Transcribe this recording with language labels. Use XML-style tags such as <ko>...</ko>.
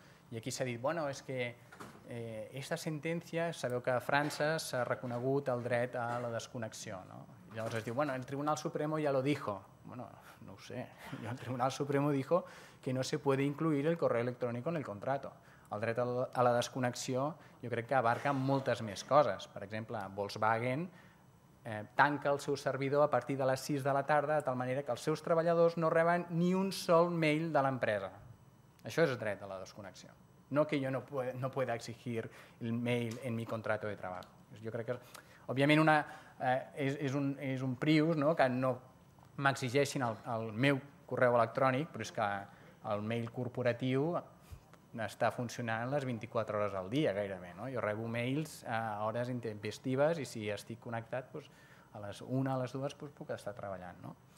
<ca>I aquí s'ha dit, bueno, és que aquesta sentència, sabeu que a França s'ha reconegut el dret a la desconnexió, no? I llavors es diu,</ca> <es>bueno, el Tribunal Supremo ya lo dijo. Bueno,</es> <ca>no ho sé,</ca> <es>el Tribunal Supremo dijo que no se puede incluir el correo electrónico en el contrato.</es> <ca>El dret a la desconnexió jo crec que abarca moltes més coses. Per exemple, Volkswagen tanca el seu servidor a partir de les 6 de la tarda de tal manera que els seus treballadors no reben ni un sol mail de l'empresa. Això és dret a la desconnexió.</ca> <es>No que jo no pueda exigir el mail en mi contrato de trabajo.</es> <ca>Jo crec que, òbviament, és un prius, no?, que no m'exigeixin el meu correu electrònic, però és que el mail corporatiu està funcionant les 24 hores al dia, gairebé, no? Jo rebo mails a hores intempestives i si estic connectat, doncs, a les 1, a les 2, doncs, puc estar treballant, no?</ca>